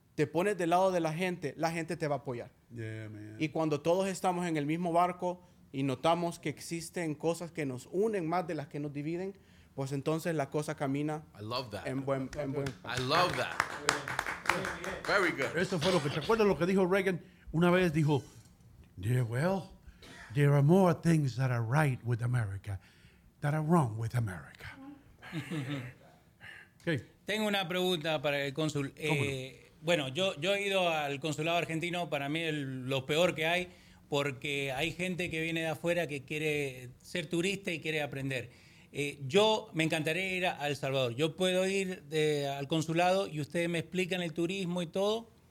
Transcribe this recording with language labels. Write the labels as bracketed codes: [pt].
[es] Te pones del lado de la gente te va a apoyar. [en] Yeah, man. [es] Y cuando todos estamos en el mismo barco, y notamos que existen cosas que nos unen más de las que nos dividen, pues entonces la cosa camina en buen. [en] I love that. Very good. [es] Eso fue lo que, ¿te acuerdas lo que dijo Reagan? Una vez dijo, [en] there are more things that are right with America that are wrong with America. [es] Okay. Tengo una pregunta para el cónsul. Bueno, yo he ido al consulado argentino, para mí lo peor que hay, porque hay gente que viene de afuera que quiere ser turista y quiere aprender. Yo me encantaría ir a El Salvador. Yo puedo ir al consulado y ustedes me explican el turismo y todo.